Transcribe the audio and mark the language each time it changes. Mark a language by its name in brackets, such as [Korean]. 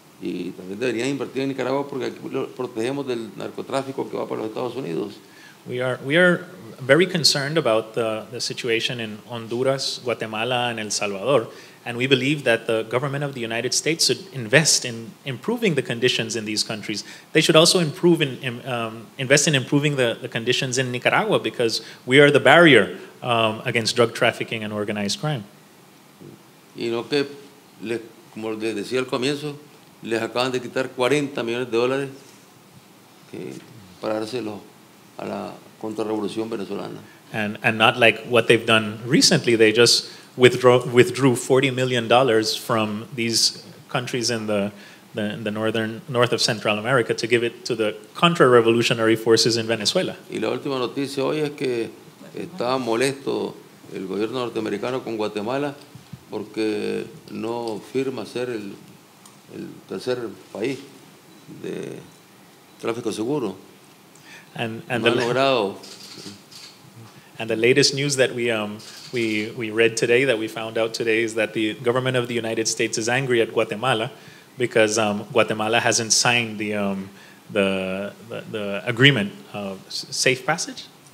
[Spanish] Y también deberían invertir en Nicaragua porque aquí lo protegemos del narcotráfico que va para los Estados Unidos. [English] We are very concerned about the situation in Honduras, Guatemala, and El Salvador, and we believe that the government of the United States should invest in improving the conditions in these countries. They should also invest in improving the conditions in Nicaragua because we are the barrier against drug trafficking and organized crime. [Spanish] Y no que como les decía al comienzo, les acaban de quitar 40 millones de dólares para dárselo a la contrarrevolución venezolana. [English] And not like what they've done recently, they just withdrew $40 million from these countries in the north of Central America to give it to the contrarrevolutionary forces in Venezuela. [Spanish] Y la última noticia hoy es que está molesto el gobierno norteamericano con Guatemala porque no firma ser el tercer país de tráfico seguro. [English] And the latest news that we read today, that we found out today, is that the government of the United States is angry at Guatemala because Guatemala hasn't signed the agreement of safe passage.